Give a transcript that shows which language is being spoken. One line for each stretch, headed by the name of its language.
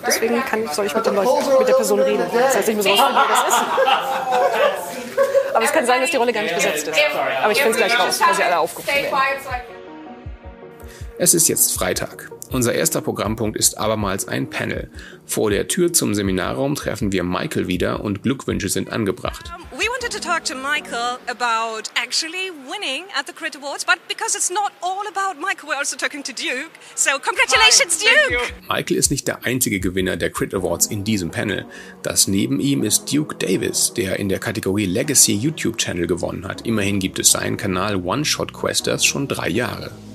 German: Deswegen soll ich mit den Leuten, mit der Person reden. Das heißt, ich muss rausfinden, wer das ist. Aber es kann sein, dass die Rolle gar nicht besetzt ist. Aber ich finde es gleich raus, weil sie alle aufgerufen werden. Es ist jetzt Freitag. Unser erster Programmpunkt ist abermals ein Panel. Vor der Tür zum Seminarraum treffen wir Michael wieder und Glückwünsche sind angebracht.
English: We wanted to talk to Michael about actually winning at the Crit Awards, but because it's not all about Michael, we're also talking to Duke. So congratulations, Duke!
German: Michael ist nicht der einzige Gewinner der Crit Awards in diesem Panel. Das neben ihm ist Duke Davis, der in der Kategorie Legacy YouTube Channel gewonnen hat. Immerhin gibt es seinen Kanal One-Shot Questers schon 3 Jahre.